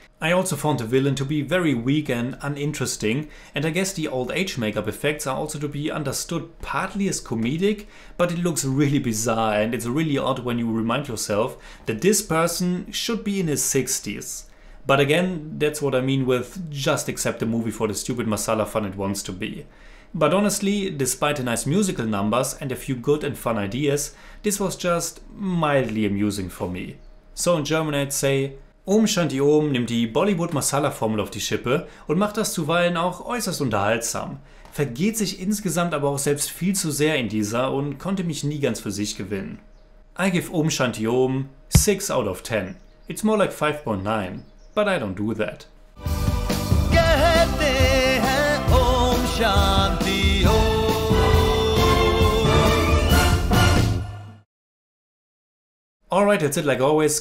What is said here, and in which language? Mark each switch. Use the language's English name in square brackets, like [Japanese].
[English] I also found the villain to be very weak and uninteresting, and I guess the old age makeup effects are also to be understood partly as comedic, but it looks really bizarre and it's really odd when you remind yourself that this person should be in his 60s. But again, that's what I mean with just accept the movie for the stupid masala fun it wants to be. But honestly, despite the nice musical numbers and a few good and fun ideas, this was just mildly amusing for me. [German] So in German I'd say, OM SHANTI OM nimmt die Bollywood Masala Formel auf die Schippe und macht das zuweilen auch äußerst unterhaltsam. Vergeht sich insgesamt aber auch selbst viel zu sehr in dieser und konnte mich nie ganz für sich gewinnen. [English] I give OM SHANTI OM 6 out of 10. It's more like 5.9, but I don't do that. [Hindi] Kehte hain OM SHANTI OM. [English] Alright, that's it like always.